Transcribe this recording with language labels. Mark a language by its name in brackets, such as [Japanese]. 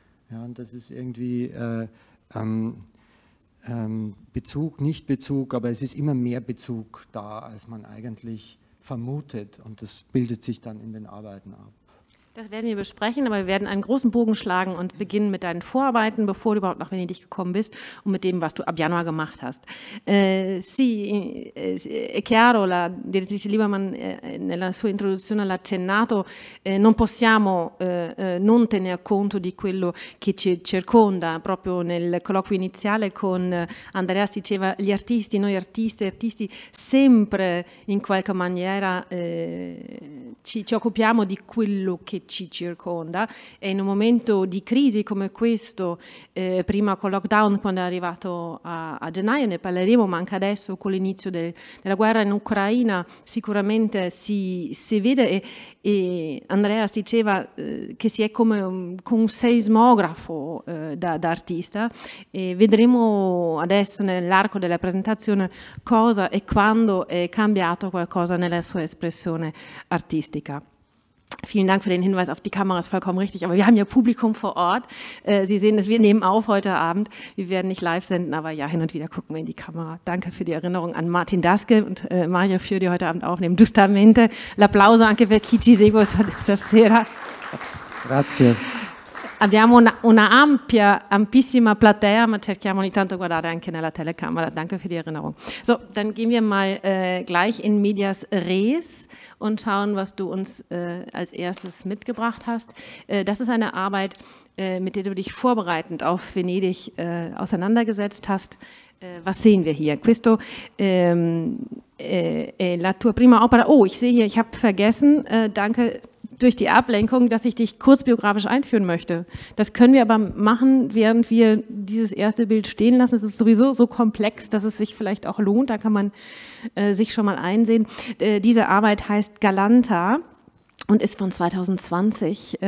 [German] Ja, und das ist irgendwie Bezug, nicht Bezug, aber es ist immer mehr Bezug da, als man eigentlich vermutet. Und das bildet sich dann in den Arbeiten ab. Das werden wir besprechen, aber wir werden einen großen Bogen schlagen und beginnen mit deinen Vorarbeiten, bevor du überhaupt nach Venedig gekommen bist und mit dem, was du ab Januar gemacht hast. [Italian] Sì, è chiaro, la direttrice Lieberman nella sua introduzione l'ha accennato, non possiamo non tener conto di quello che ci circonda. Proprio nel colloquio iniziale con Andreas diceva gli artisti, noi artisti sempre in qualche maniera ci occupiamo di quello che ci circonda, e in un momento di crisi come questo, prima con lockdown, quando è arrivato a gennaio, ne parleremo, ma anche adesso con l'inizio della guerra in Ucraina, sicuramente si vede, e Andreas diceva che si è come un seismografo da artista, e vedremo adesso nell'arco della presentazione cosa e quando è cambiato qualcosa nella sua espressione artistica. [German] Vielen Dank für den Hinweis auf die Kamera, ist vollkommen richtig, aber wir haben ja Publikum vor Ort. Sie sehen es, wir nehmen auf heute Abend, wir werden nicht live senden, aber ja, hin und wieder gucken wir in die Kamera. Danke für die Erinnerung an Martin Daske und Mario Fiori, die heute Abend aufnehmen. [Italian] Giustamente, l'applauso anche per chi ci segue questa sera. Grazie. Abbiamo una ampia, ampissima platea, ma cerchiamo ogni tanto guardare anche nella telecamera. [German] Danke für die Erinnerung. So, dann gehen wir mal gleich in medias res und schauen, was du uns als erstes mitgebracht hast. Das ist eine Arbeit, mit der du dich vorbereitend auf Venedig auseinandergesetzt hast. Was sehen wir hier? [Italian] Questo la tua prima opera. [German] Oh, ich sehe hier, ich habe vergessen, danke durch die Ablenkung, dass ich dich kurz biografisch einführen möchte. Das können wir aber machen, während wir dieses erste Bild stehen lassen. Es ist sowieso so komplex, dass es sich vielleicht auch lohnt. Da kann man sich schon mal einsehen. Diese Arbeit heißt Galanta und ist von 2020.